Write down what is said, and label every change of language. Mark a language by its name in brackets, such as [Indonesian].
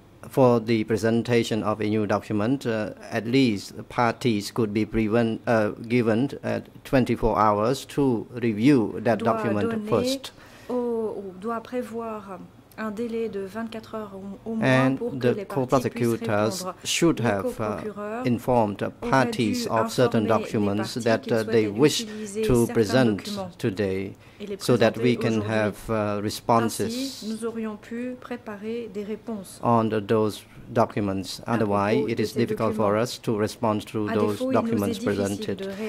[English] For the presentation of a new document, at least parties could be given 24 hours to review that document first. [French] Doit prévoir un délai de 24 heures au moins pour que les parties puissent répondre. [English] Co-prosecutors should have informed parties of certain documents that they wish to present today so that we can have responses [French] nous aurions pu préparer des réponses [English] on those documents. Otherwise, it is difficult for us to respond to those documents presented.